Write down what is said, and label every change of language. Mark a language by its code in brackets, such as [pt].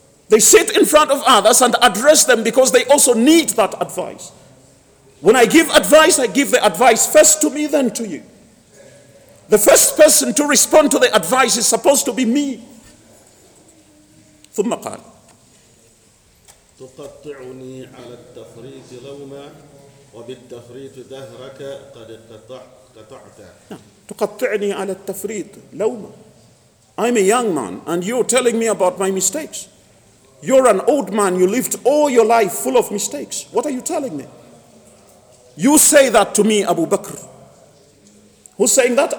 [en] They sit in front of others and address them because they also need that advice. When I give advice, I give the advice first to me, then to you. The first person to respond to the advice is supposed to be me. [ar] ثم قال تقطعني على التفريط لوما وبالتفريط دهرك قد قطعت تقطعني على التفريط لوما [en] I'm a young man and you're telling me about my mistakes. You're an old man, you lived all your life full of mistakes. What are you telling me? You say that to me, Abu Bakr. Who's saying that?